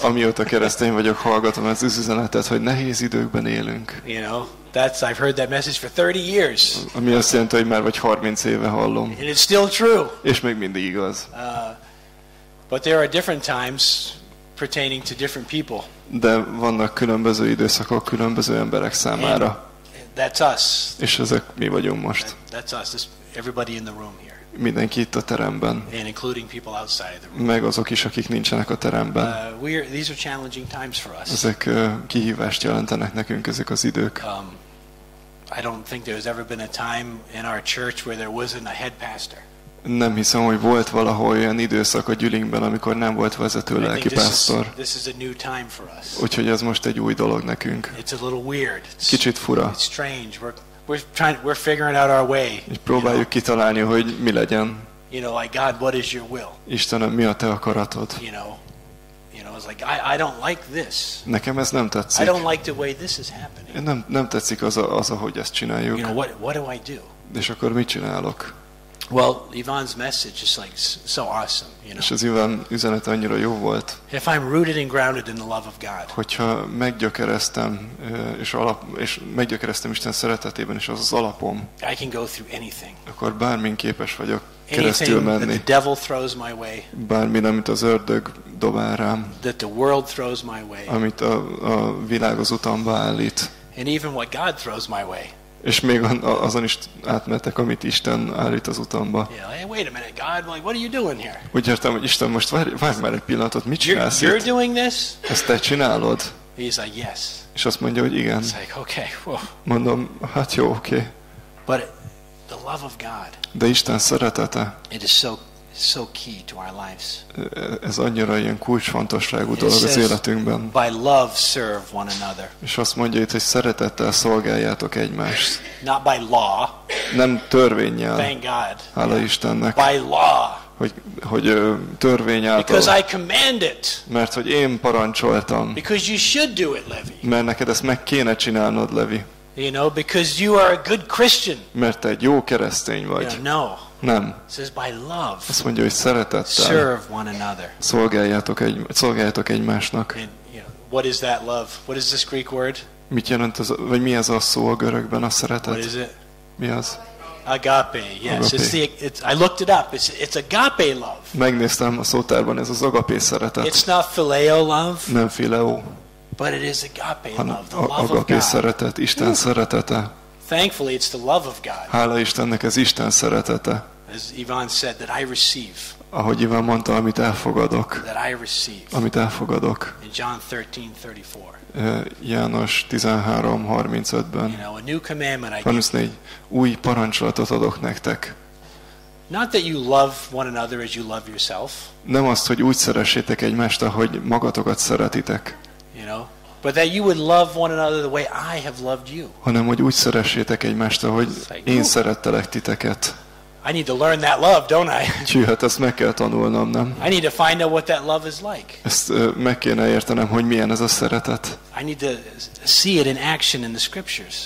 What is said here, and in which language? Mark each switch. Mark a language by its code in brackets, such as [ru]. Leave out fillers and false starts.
[hu] Amióta keresztény vagyok, hallgatom ezt az üzenetet, hogy nehéz időkben élünk. [en] You know, that's I've heard that message for 30 years. [hu] Ami azt jelenti, hogy már vagy 30 éve hallom. [en] And it's still true. [hu] És még mindig igaz. [en] But there are different times pertaining to different people. [hu] De vannak különböző időszakok különböző emberek számára. [en] And that's us. [hu] És ezek mi vagyunk most. [en] That's us. It's everybody in the room here. [hu] Mindenki itt a teremben. [en] And including people outside the room. [hu] Meg azok is, akik nincsenek a teremben. [en] These are challenging times for us. [hu] Ezek kihívást jelentenek nekünk ezek az idők. [en] I don't think there's ever been a time in our church where there wasn't a head pastor. [hu] Nem hiszem, hogy volt valahol olyan időszak a gyülekezetben, amikor nem volt vezető lelki pásztor. [en] This is a new time for us. [hu] Úgyhogy ez most egy új dolog nekünk. [en] It's a little weird. [hu] Kicsit fura. [en] It's strange. We're figuring out our way. [hu] És próbáljuk kitalálni, hogy mi legyen. [en] You know, like God, what is your will? [hu] Istenem, mi a te akaratod? [en] You know, it's like I don't like this. [hu] Nekem ez nem tetszik. [en] I don't like the way this is happening. [hu] Nem tetszik az, ahogy ezt csináljuk. [en] You know, what do I do? [hu] És akkor mit csinálok? [en] Well, Ivan's message is like so awesome, you know. [hu] És az Ivan üzenete annyira jó volt. [en] If I'm rooted and grounded in the love of God. [hu] Hogyha meggyökereztem és meggyökereztem Isten szeretetében, és az az alapom. [en] I can go through anything. [hu] Akkor bármin képes vagyok keresztül menni. [en] Anything that the devil throws my way. [hu] Bármin, amit az ördög dobál rám. [en] That the world throws my way. [hu] Amit a világ az utamba állít. [en] And even what God throws my way. [hu] És még azon is átmentek, amit Isten állít az utamba. [en] Yeah, hey, wait a minute, God, like, what are you doing here? [hu] Úgy értem, hogy Isten, most várj már egy pillanatot, mit csinálsz itt? [en] You're doing this? [hu] Ezt te csinálod? [en] He's like, yes. [hu] És azt mondja, hogy igen. [en] It's like, okay, well. [hu] Mondom, hát jó, oké. Okay. [en] But the love of God. [hu] De Isten szeretete. [en] It is so key to our lives. [hu] Ez annyira ilyen kulcsfontosságú dolog az életünkben. [en] By love serve one another. [hu] És azt mondja itt, hogy szeretettel szolgáljátok egymást. [en] Not by law. [hu] Nem törvénnyel. [en] Thank God. [hu] Hála Istennek. [en] By law. [hu] Hogy törvény által. [en] Because I command it. [hu] Mert hogy én parancsoltam. [en] Because you should do it, Levi. [hu] Mert neked ezt meg kéne csinálnod, Levi. [en] You know, because you are a good Christian. [hu] Mert te egy jó keresztény vagy. [en] Yeah, no. [hu] Nem. [en] It says by love. [hu] Azt mondja, hogy szeretettel. [en] Serve one another. [hu] Szolgáljátok egymásnak. [en] And, you know, what is that love? What is this Greek word? [hu] Mit jelent az, vagy mi ez a szó a görögben, a szeretet? [en] What is it? [hu] Mi az? [en] Agape. Yes. Agape. I looked it up. It's agape love. [hu] Megnéztem a szótárban, ez az agape szeretet. [en] It's not phileo love. [hu] Nem phileo. [en] But it is agape love, the love of God. [hu] Agape szeretet, Isten szeretete. [en] Thankfully, it's the love of God. [hu] Hála Istennek, ez Isten szeretete. [en] As Ivan said, that I receive. [hu] Ahogy Ivan mondta, amit elfogadok. [en] That I receive. [hu] Amit elfogadok. [en] In John 13:34. [hu] János 13:35-ben. [en] You know, a new commandment I give. [hu] Új parancsolatot adok nektek. [en] Not that you love one another as you love yourself. [hu] Nem azt, hogy úgy szeressétek egymást, ahogy magatokat szeretitek. [en] You know, but that you would love one another the way I have loved you. [hu] Hanem hogy úgy szeressétek egymást, ahogy én szerettelek titeket. [en] I need to learn that love, don't I? [hu] Hát ezt meg kell tanulnom, nem? [en] I need to find out what that love is like. [hu] Ezt meg kéne értenem, hogy milyen ez a szeretet. [en] I need to see it in action in the scriptures.